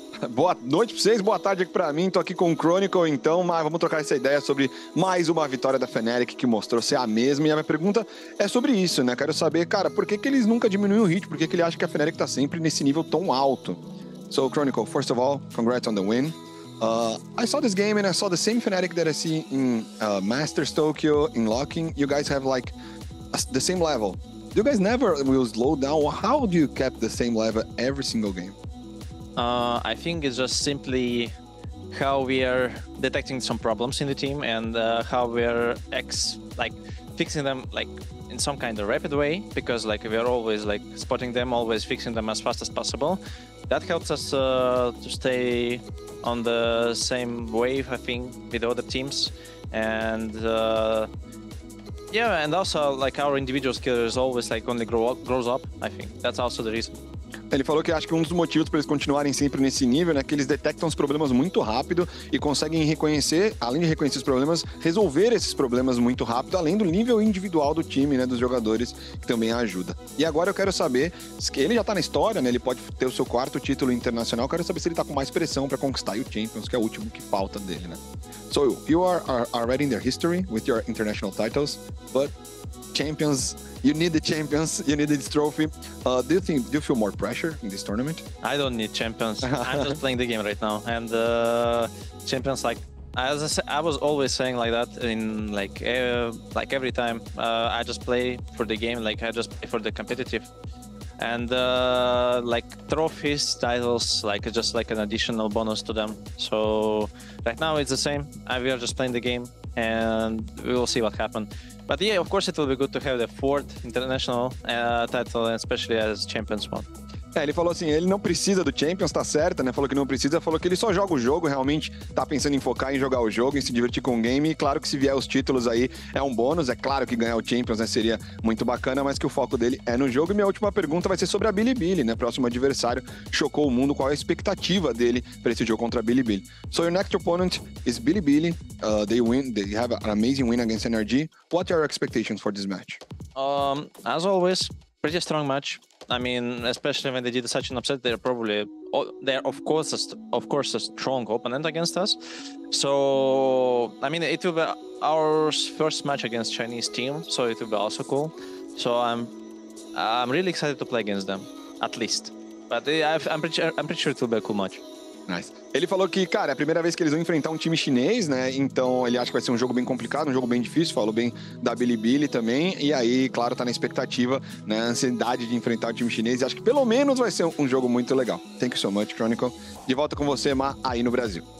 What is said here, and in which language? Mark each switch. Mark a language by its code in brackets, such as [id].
[pt] Boa noite pra vocês, boa tarde aqui pra mim. Tô aqui com o Crônico, então, mas vamos trocar essa ideia sobre mais uma vitória da Fnatic que mostrou ser a mesma. E a minha pergunta é sobre isso, né? Quero saber, cara, por que que eles nunca diminuem o ritmo? Por que que ele acha que a Fnatic tá sempre nesse nível tão alto? [en] So, Crônico, first of all, congrats on the win. I saw this game and I saw the same Fnatic that I see in Masters Tokyo, in Locking. You guys have, like, the same level. You guys never will slow down. How do you keep the same level every single game? I think it's just simply how we are detecting some problems in the team and how we are fixing them like in some kind of rapid way, because like we are always like spotting them, always fixing them as fast as possible. That helps us to stay on the same wave, I think, with other teams. And and also like our individual skill is always like only grows up, I think. That's also the reason. [pt] Ele falou que acho que um dos motivos para eles continuarem sempre nesse nível, né, que eles detectam os problemas muito rápido e conseguem reconhecer, além de reconhecer os problemas, resolver esses problemas muito rápido, além do nível individual do time, né, dos jogadores, que também ajuda. E agora eu quero saber, ele já está na história, né, ele pode ter o seu quarto título internacional, eu quero saber se ele está com mais pressão para conquistar o Champions, que é o último que falta dele, né. [en] So, you are already in the history with your international titles, but Champions... You need the champions, you need this trophy. Do you feel more pressure in this tournament? I don't need champions. I'm just playing the game right now. And champions, like, as I said, I was always saying like that in like every time. I just play for the game, like I just play for the competitive. And like trophies, titles, like just like an additional bonus to them. So right now it's the same. We are just playing the game and we will see what happens. But yeah, of course it will be good to have the fourth international title, especially as champions one. [pt] É, ele falou assim, ele não precisa do Champions, tá certo, né? Falou que não precisa, falou que ele só joga o jogo, realmente tá pensando em focar em jogar o jogo, em se divertir com o game, e claro que se vier os títulos aí é um bônus, é claro que ganhar o Champions, né, seria muito bacana, mas que o foco dele é no jogo. E minha última pergunta vai ser sobre a Bilibili, né? Próximo adversário, chocou o mundo, qual é a expectativa dele pra esse jogo contra a Bilibili? [en] So your next opponent is Bilibili, they have an amazing win against NRG. What are your expectations for this match? As always, pretty strong match. I mean, especially when they did such an upset, they're of course a strong opponent against us. So, I mean, it will be our first match against Chinese team, so it will be also cool. So I'm really excited to play against them. at least. But I'm pretty sure it will be a cool match. Nice. [pt] Ele falou que, cara, é a primeira vez que eles vão enfrentar um time chinês, né? Então ele acha que vai ser um jogo bem complicado, um jogo bem difícil. Falou bem da Bilibili também. E aí, claro, tá na expectativa, né? Ansiedade de enfrentar um time chinês. E acho que pelo menos vai ser um jogo muito legal. [en] Thank you so much, Chronicle. [pt] De volta com você, Mar, aí no Brasil.